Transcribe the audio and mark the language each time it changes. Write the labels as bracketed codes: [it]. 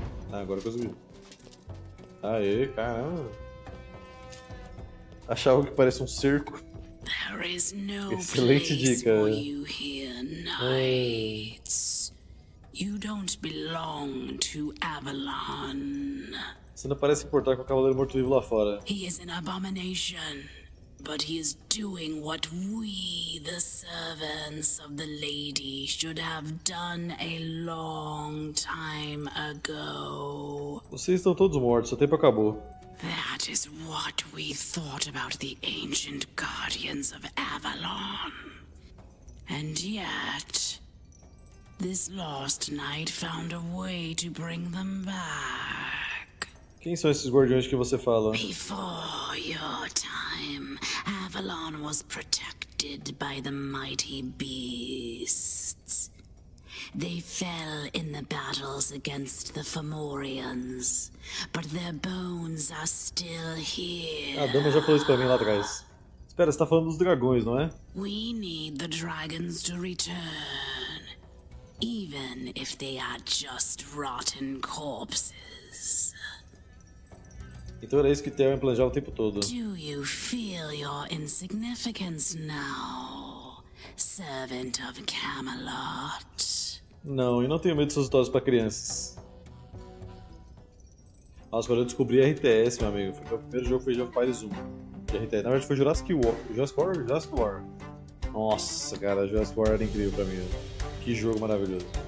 [pt] Ah, agora consegui. Aê, caramba! Achava que parece um cerco. Excelente dica. [en] You hear knights. You don't belong to Avalon. [pt] Você não parece importar com o cavaleiro morto-vivo lá fora. [en] He is an abomination, but he is doing what we, the servants of the lady, should have done a long time ago. [pt] Vocês estão todos mortos, o tempo acabou. [en] That is what we thought about the ancient guardians of Avalon. And yet, this lost knight found a way to bring them back. [pt] Quem são esses guardiões que você fala? [en] Before your time, Avalon was protected by the mighty beasts. They fell in the battles against the Fomorians, but their bones are still here. [pt] A dama já falou isso pra mim lá atrás. Espera, você tá falando dos dragões, não é? [en] We need the dragons to return, even if they are just rotten corpses. [pt] Então era isso que Terran planejava o tempo todo. [en] Do you feel your insignificance now, servant of Camelot? [pt] Não, eu não tenho medo de suas histórias para crianças. Nossa, quando eu descobri RTS, meu amigo, foi meu primeiro jogo, foi Age of Empires 1 de RTS. Na verdade foi Jurassic War. Jurassic War. Nossa, cara, Jurassic War era incrível pra mim. Que jogo maravilhoso.